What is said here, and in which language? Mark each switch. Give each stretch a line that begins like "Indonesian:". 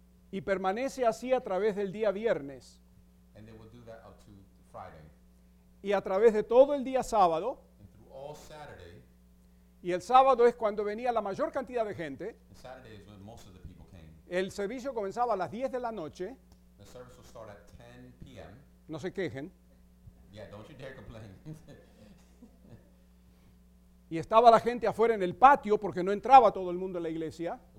Spanish: Y permanece así a través del día viernes.
English: And they will do that up to Friday.
Spanish: Y a través de todo el día sábado.
English: And through all Saturday.
Spanish: Y el sábado es cuando venía la mayor cantidad de gente.
English: And Saturday is when most of the people came.
Spanish: El servicio comenzaba a las 10 de la noche.
English: The service will start at 10 p.m.
Spanish: No se quejen.
English: Yeah, don't you dare complain.
Spanish: Y estaba la gente afuera en el patio porque no entraba todo el mundo en la iglesia.